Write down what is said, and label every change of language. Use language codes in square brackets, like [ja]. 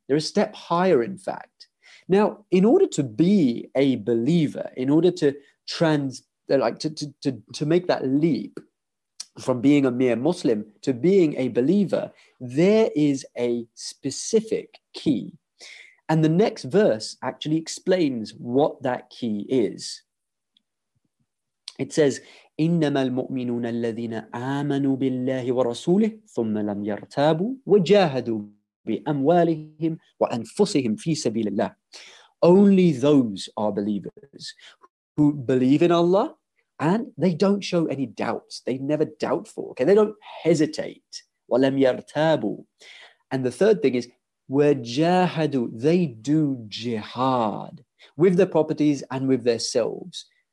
[en] They're a step higher, in fact. Now, in order to be a believer, in order to make that leap from being a mere Muslim to being a believer, there is a specific key. And the next verse actually explains what that key is. [ar] It says, إنما المؤمنون الذين آمنوا بالله ورسوله ثم لم يرتابوا وجاهدوا بأموالهم وأنفسهم في سبيل الله. [en] Only those are believers who believe in Allah and they don't show any doubts. They never doubtful. Okay, they don't hesitate. [ar] ولم يرتابوا. [en] And the third thing is, وجاهدوا. They do jihad with their properties and with themselves.